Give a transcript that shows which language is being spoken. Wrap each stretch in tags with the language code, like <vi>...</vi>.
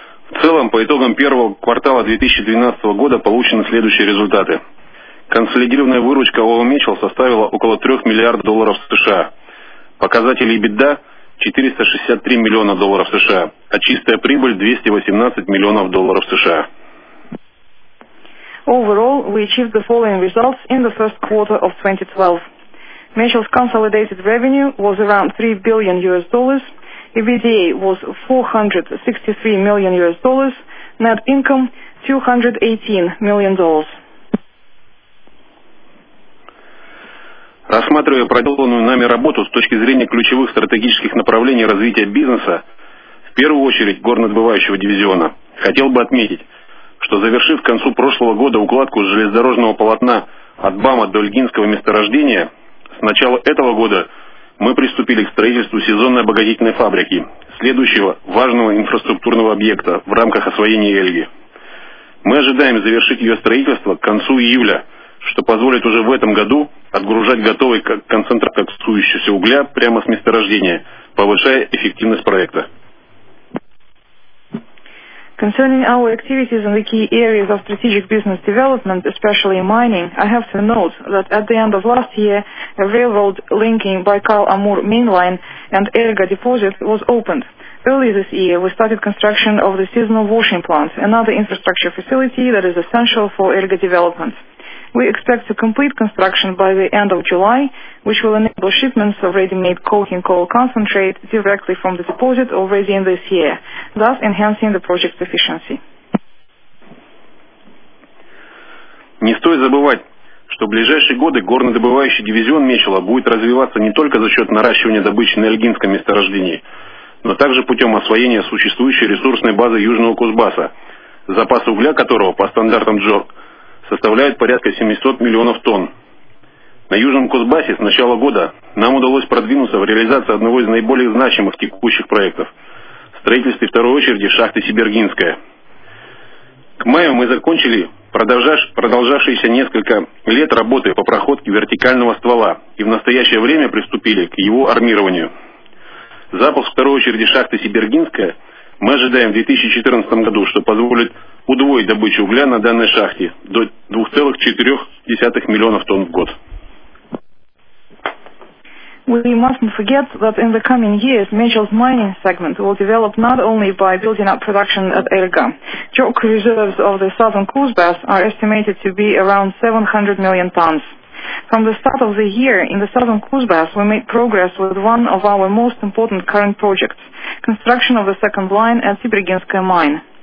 <ru>В целом, по итогам первого квартала 2012 года получены следующие результаты. Консолидированная выручка ООО Mitchell составила около 3 миллиардов долларов США. Показатели EBITDA 463 миллиона долларов США, а чистая прибыль 218 миллионов долларов США.</ru> <en>Overall, we achieved the following results in the first quarter of 2012. Mitchell's consolidated revenue was around $3 billion, EBITDA was $463 million, net income $218 million.</en> <ru>Рассматривая проделанную нами работу с точки зрения ключевых стратегических направлений развития бизнеса, в первую очередь горнодобывающего дивизиона, хотел бы отметить, что завершив к концу прошлого года укладку железнодорожного полотна от БАМа до Льгинского месторождения, с начала этого года мы приступили к строительству сезонной обогатительной фабрики, следующего важного инфраструктурного объекта в рамках освоения Эльги. Мы ожидаем завершить ее строительство к концу июля, что позволит уже в этом году отгружать готовый концентрат коксующегося угля прямо с месторождения, повышая эффективность проекта.</ru> <en>Concerning our activities in the key areas of strategic business development, especially mining, I have to note that at the end of last year, a railroad linking Baikal-Amur mainline and Elga deposit was opened. Early this year, we started construction of the seasonal washing plant, another infrastructure facility that is essential for Elga development. We expect to complete construction by the end of July, which will enable shipments of ready-made coking coal concentrate directly from the deposit already in this year, thus enhancing the project's efficiency.</en> <ru>Не стоит забывать, что в ближайшие годы горнодобывающий дивизион Мечела будет развиваться не только за счет наращивания добычи на Эльгинском месторождении, но также путем освоения существующей ресурсной базы Южного Кузбасса, запас угля которого по стандартам JORC составляет порядка 700 миллионов тонн. На Южном Кузбассе с начала года нам удалось продвинуться в реализации одного из наиболее значимых текущих проектов – строительстве второй очереди шахты Сибергинская. К маю мы закончили продолжавшиеся несколько лет работы по проходке вертикального ствола и в настоящее время приступили к его армированию. Запуск второй очереди шахты Сибергинская мы ожидаем в 2014 году, что позволит удвоить добычу угля на данной шахте до 2,4 миллионов тонн в год.</ru> <en>We mustn't forget that in the coming years, Mitchell's mining segment will develop not only by building up production at Elga. JORC reserves of the southern Kuzbass are estimated to be around 700 million tons. From the start of the year, in the southern Kuzbass, we made progress with one of our most important current projects, construction of the second line at Sibirginskaya mine.</en>